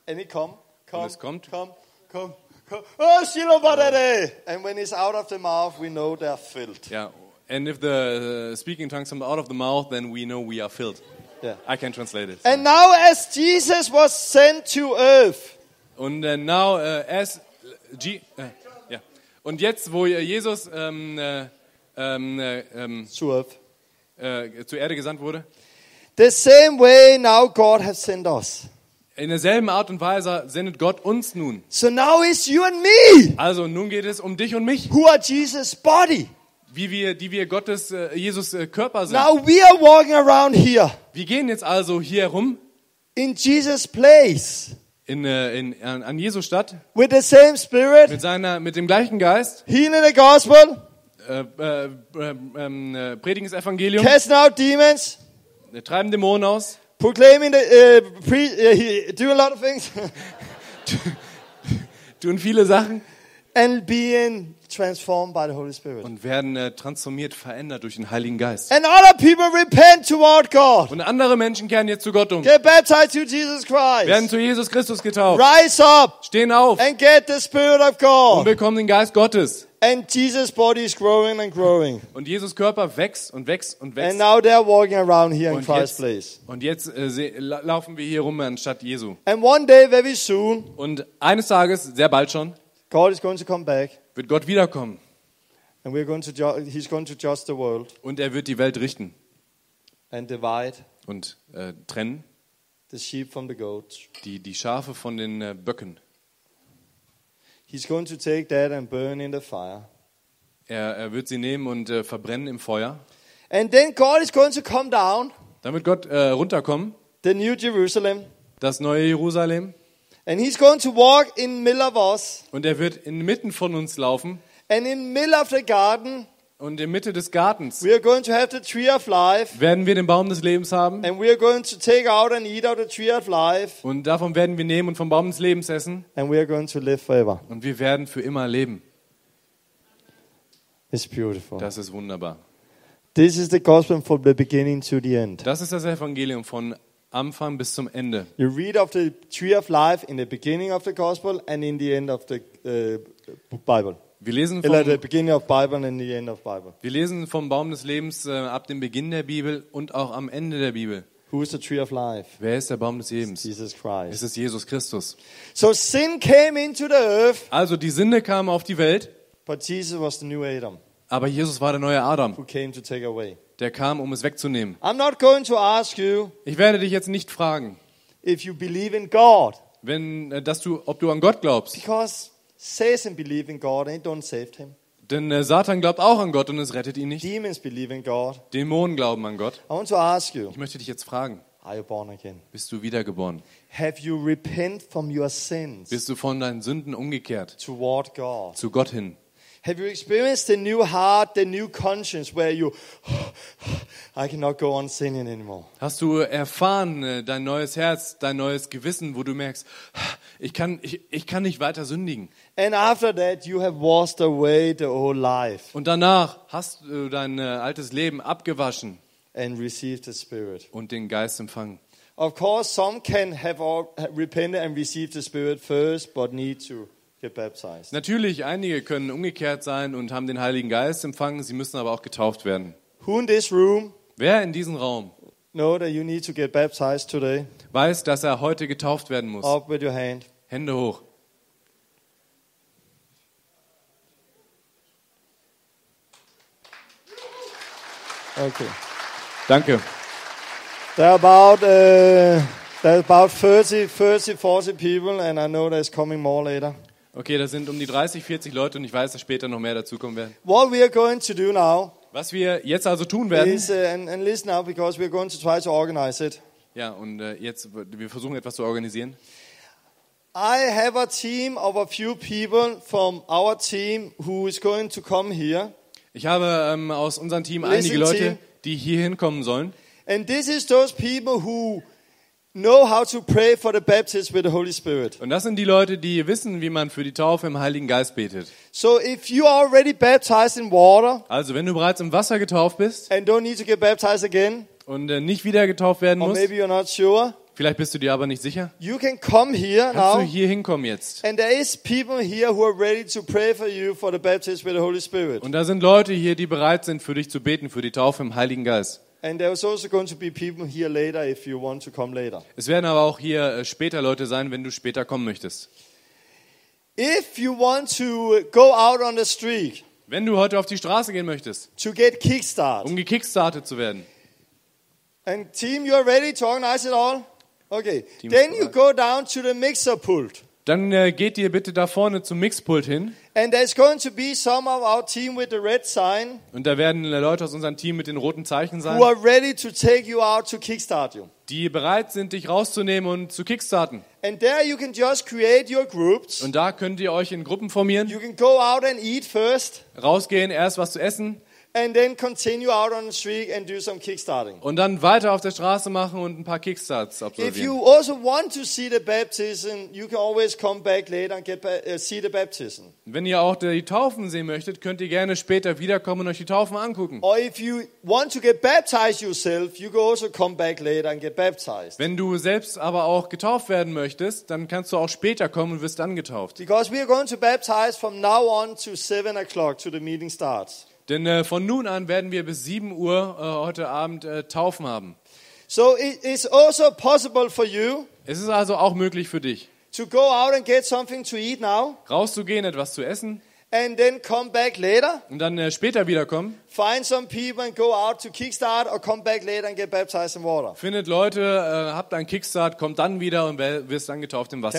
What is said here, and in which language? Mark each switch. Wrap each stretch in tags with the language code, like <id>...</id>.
<en>And it come.</en> <de>Und es kommt.</de> <en>Come. Oh, shilobarere. And when it's out of the mouth, we know they are filled. Yeah. And if the speaking tongues come out of the mouth, then we know we are filled. Yeah. I can translate it. So. And now, as Jesus was sent to earth. Und now as G yeah.</en> <de>Und jetzt wo Jesus zur Erde gesandt wurde.</de> <en>The same way now God has sent us.</en> <de>In derselben Art und Weise sendet Gott uns nun.</de> <en>So now it's you and me.</en> <de>Also nun geht es um dich und mich.</de> <en>Who are Jesus' body?</en> <de>Wie wir, die wir Gottes Jesus Körper sind.</de> <en>Now we are walking around here.</en> <de>Wir gehen jetzt also hier herum.</de> <en>In Jesus' place.</en> <de>An Jesus Stadt.</de> <en>With the same spirit.</en> <de>Mit dem gleichen Geist.</de> <en>Healing the gospel.</en> <de>Predigen das Evangelium.</de> <en>Casting out demons.</en> <de>Treiben Dämonen aus.</de> <en>Proclaiming the do a lot of things.</en> <de>Tun viele Sachen.</de> <en>And being transformed by the Holy Spirit.</en> <de>Und werden transformiert, verändert durch den Heiligen Geist.</de> <en>And other people repent toward God.</en> <de>Und andere Menschen kehren jetzt zu Gott um.</de> <en>Get baptized to Jesus Christ.</en> <de>Werden zu Jesus Christus getauft.</de> <en>Rise up.</en> <de>Stehen auf.</de> <en>And get the Spirit of God.</en> <de>Und bekommen den Geist Gottes.</de> <en>And Jesus' body is growing and growing.</en> <de>Und Jesus Körper wächst und wächst und wächst.</de> <en>And now they're walking around here in Christ's place.</en> <de>Und jetzt laufen wir hier rum anstatt Jesu.</de> <en>And one day, very soon.</en> <de>Und eines Tages, sehr bald schon.</de> <en>God is going to come back.</en> <de>Wird Gott wiederkommen.</de> <en>And we're going to he's going to judge the world.</en> <de>Und er wird die Welt richten.</de> <en>And divide.</en> <de>Und trennen.</de> <en>The sheep from the goats.</en> <de>Die Schafe von den Böcken.</de> <en>He's going to take that and burn in the fire.</en> <de>Er wird sie nehmen und verbrennen im Feuer.</de> <en>And then God is going to come down.</en> <de>Dann wird Gott runterkommen.</de> <en>The new Jerusalem.</en> <de>Das neue Jerusalem.</de> <en>And he's going to walk in middle of us.</en> <de>Und er wird inmitten von uns laufen.</de> <en>And in middle of the garden.</en> <de>Und in Mitte des Gartens.</de> <en>We are going to have the tree of life.</en> <de>Werden wir den Baum des Lebens haben.</de> <en>And we are going to take out and eat out the tree of life.</en> <de>Und davon werden wir nehmen und vom Baum des Lebens essen.</de> <en>And we are going to live forever.</en> <de>Und wir werden für immer leben.</de> <en>It's beautiful.</en> <de>Das ist wunderbar.</de> <en>This is the gospel from the beginning to the end.</en> <de>Das ist das Evangelium von Anfang bis zum Ende.</de> <en>You read of the tree of life in the beginning of the gospel and in the end of the Bible.</en> <de>Wir lesen vom Baum des Lebens ab dem Beginn der Bibel und auch am Ende der Bibel.</de> <en>Who is the tree of life?</en> <de>Wer ist der Baum des Lebens?</de> <en>Jesus Christ.</en> <de>Es ist Jesus Christus.</de> <en>So sin came into the earth.</en> <de>Also die Sünde kam auf die Welt.</de> <en>But Jesus was the new Adam.</en> <de>Aber Jesus war der neue Adam.</de> <en>Who came to take away.</en> <de>Der kam, um es wegzunehmen.</de> <en>I'm not going to ask you.</en> <de>Ich werde dich jetzt nicht fragen.</de> <en>If you believe in God.</en> <de>Wenn dass du ob du an Gott glaubst.</de> <en>Because Satan believes in God and it don't save him.</en> <de>Denn Satan glaubt auch an Gott und es rettet ihn nicht.</de> <en>Demons believe in God.</en> <de>Dämonen glauben an Gott.</de> <en>I want to ask you.</en> <de>Ich möchte dich jetzt fragen.</de> <en>Are you born again?</en> <de>Bist du wiedergeboren?</de> <en>Have you repented from your sins?</en> <de>Bist du von deinen Sünden umgekehrt?</de> <en>Toward God.</en> <de>Zu Gott hin.</de> <en>Have you experienced the new heart, the new conscience, where you, I cannot go on sinning anymore?</en> <de>Hast du erfahren dein neues Herz, dein neues Gewissen, wo du merkst, ich kann nicht weiter sündigen?</de> <en>And after that, you have washed away the old life.</en> <de>Und danach hast du dein altes Leben abgewaschen.</de> <en>And received the Spirit.</en> <de>Und den Geist empfangen.</de> <en>Of course, some can have all repented and received the Spirit first, but need to.</en> <de>Natürlich, einige können umgekehrt sein und haben den Heiligen Geist empfangen, sie müssen aber auch getauft werden.</de> <en>Who in this room?</en> <de>Wer in diesem Raum?</de> <en>Know that you need to get baptized today.</en> <de>Weiß, dass er heute getauft werden muss.</de> <en>Up with your hand.</en> <de>Hände hoch.</de> <en>Okay.</en> <de>Danke.</de> <en>There are about about 40 people and I know there's coming more later.</en> <de>Okay, da sind um die 30, 40 Leute und ich weiß, dass später noch mehr dazukommen werden.</de> <en>What we are going to do now,</en> <de>was wir jetzt also tun werden,</de> <en>is, and listen now, because we are going to try to organize it.</en> <de>Ja, und jetzt, wir versuchen etwas zu organisieren.</de> <en>I have a team of a few people from our team who is going to come here.</en> <de>Ich habe aus unserem Team einige Leute, die hier hinkommen sollen.</de> <en>And this is those people who know how to pray for the baptism with the Holy Spirit.</en> <de>Und das sind die Leute, die wissen, wie man für die Taufe im Heiligen Geist betet.</de> <en>So if you are already baptized in water,</en> <de>also wenn du bereits im Wasser getauft bist,</de> <en>and don't need to get baptized again,</en> <de>und nicht wieder getauft werden musst,</de> <en>or maybe you're not sure,</en> <de>vielleicht bist du dir aber nicht sicher,</de> <en>you can come here</en> <de>kannst</de> <en>now,</en> <de>du hier hinkommen jetzt.</de> <en>And there is people here who are ready to pray for you for the baptism with the Holy Spirit.</en> <de>Und da sind Leute hier, die bereit sind, für dich zu beten, für die Taufe im Heiligen Geist.</de> <en>And there is also going to be people here later if you want to come later.</en> <de>Es werden aber auch hier später Leute sein, wenn du später kommen möchtest.</de> <en>If you want to go out on the street,</en> <de>wenn du heute auf die Straße gehen möchtest,</de> <en>to get kickstart,</en> <de>um gekickstartet zu werden.</de> <en>And team, you are ready to organize it all? Okay. Team, then you go down to the mixer pult.</en> <de>Dann geht ihr bitte da vorne zum Mixpult hin.</de> <en>And there's going to be some of our team with the red sign.</en> <de>Und da werden Leute aus unserem Team mit den roten Zeichen sein.</de> <en>Who are ready to take you out to kickstart you.</en> <de>Die bereit sind, dich rauszunehmen und zu kickstarten.</de> <en>And there you can just create your groups.</en> <de>Und da könnt ihr euch in Gruppen formieren.</de> <en>You can go out and eat first.</en> <de>Rausgehen, erst was zu essen.</de> <en>And then continue out on the street and do some kickstarting.</en> <de>Und dann weiter auf der Straße machen und ein paar Kickstarts absolvieren.</de> <en>If you also want to see the baptism, you can always come back later and get see the baptism.</en> <de>Wenn ihr auch die Taufen sehen möchtet, könnt ihr gerne später wiederkommen und euch die Taufen angucken.</de> <en>Or if you want to get baptized yourself, you can also come back later and get baptized.</en> <de>Wenn du selbst aber auch getauft werden möchtest, dann kannst du auch später kommen und wirst dann getauft.</de> <en>Because we are going to baptize from now on to 7 o'clock to the meeting starts.</en> <de>Denn von nun an werden wir bis 7 Uhr heute Abend Taufen haben.</de> <en>So it is also possible for you.</en> <de>Es ist also auch möglich für dich.</de> <en>To go out and get something to eat now.</en> <de>Rauszugehen, etwas zu essen.</de> <en>And then come back later.</en> <de>Und dann später wiederkommen.</de> <en>Find some people and go out to kickstart or come back later and get baptized in water.</en> <de>Findet Leute, habt einen Kickstart, kommt dann wieder und wirst dann getauft im Wasser.</de>